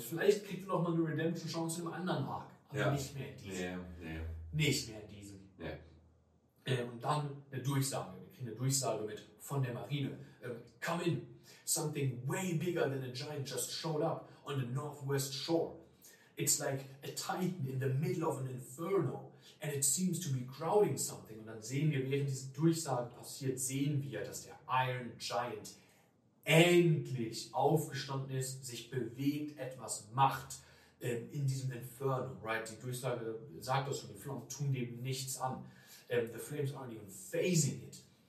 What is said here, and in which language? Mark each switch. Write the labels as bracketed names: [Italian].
[German] Vielleicht kriegt er nochmal eine Redemption-Chance im anderen Arc. Aber ja. Nicht mehr in diesem. Und dann eine Durchsage. Wir kriegen eine Durchsage mit von der Marine. [English] Come in. Something way bigger than a giant just showed up on the northwest shore. It's like a titan in the middle of an inferno. And it seems to be crowding something. [German] Und dann sehen wir, während diese Durchsage passiert, sehen wir, dass der Iron Giant endlich aufgestanden ist, sich bewegt, etwas macht in diesem Inferno. Right? Die Durchsage sagt das schon, die Flammen tun dem nichts an. [English] The flames aren't even phasing it.